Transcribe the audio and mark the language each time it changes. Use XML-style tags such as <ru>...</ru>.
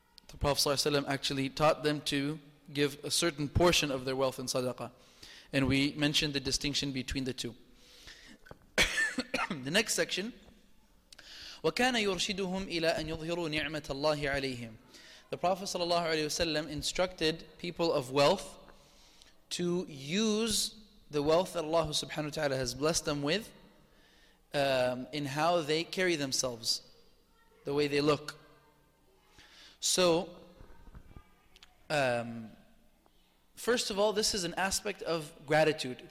<en>The Prophet sallallahu alaihi wasallam actually taught them to give a certain portion of their wealth in sadaqah, and we mentioned the distinction between the two. The next section,</en> <ar>وَكَانَ يُرْشِدُهُمْ إِلَىٰ أَنْ يُظْهِرُوا نِعْمَةَ اللَّهِ عَلَيْهِمْ.</ar> <en>The Prophet ﷺ instructed people of wealth to use the wealth that Allah subhanahu wa ta'ala has blessed them with in how they carry themselves, the way they look. So, first of all, this is an aspect of gratitude.</en>